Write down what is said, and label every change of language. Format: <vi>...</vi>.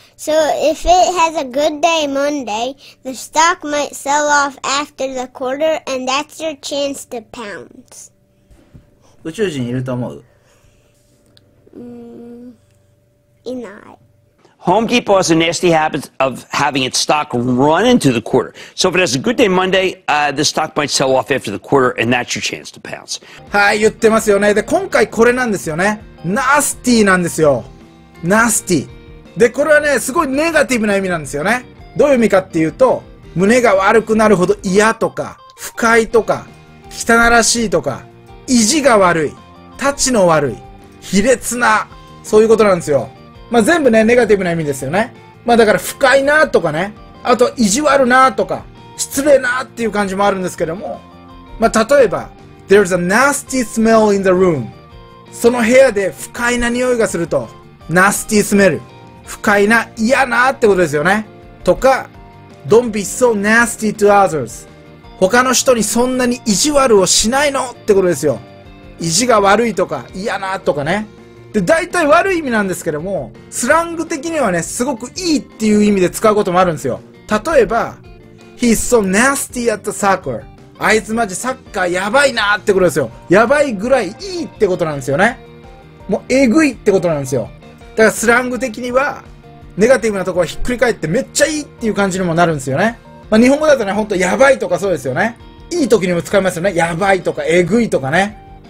<en>So if it has a good day Monday, the stock might sell off after the quarter and that's your chance to pounce.</en> <ja>宇宙人いると思う？いない。</ja> <en>Home Depot has a nasty habit of having its stock run into the quarter. So if it has a good day Monday, the stock might sell off after the quarter and that's your chance to pounce.</en> <ja>はい、言ってますよね。で、今回これなんですよね。Nasty なんですよ。 Nasty。で、これはね、すごいネガティブな意味なんですよね。どういう意味かっていうと、胸が悪くなるほど嫌とか、不快とか、汚らしいとか、意地が悪い、立ちの悪い、卑劣な、そういうことなんですよ。まあ、全部ね、ネガティブな意味ですよね。まあ、だから、不快なとかね、あと、意地悪なとか、失礼なっていう感じもあるんですけども、まあ、例えば、 There's a nasty smell in the room. その部屋で不快な匂いがすると、 nasty smell。不快な、嫌なってことですよね。</ja> <en>とか、Don't be so nasty to others.</en> <ja>他の人にそんなに意地悪をしないのってことですよ。意地が悪いとか、嫌なとかね。で、大体悪い意味なんですけども、スラング的にはね、すごくいいっていう意味で使うこともあるんですよ。</ja> <en>例えば、He's so nasty at the soccer.</en> <ja>あいつマジサッカーやばいなーってことですよ。やばいぐらいいいってことなんですよね。もうえぐいってことなんですよ。だからスラング的には、ネガティブなところはひっくり返ってめっちゃいいっていう感じにもなるんですよね。まあ日本語だとね、ほんとやばいとかそうですよね。いい時にも使いますよね。やばいとかえぐいとかね。</ja>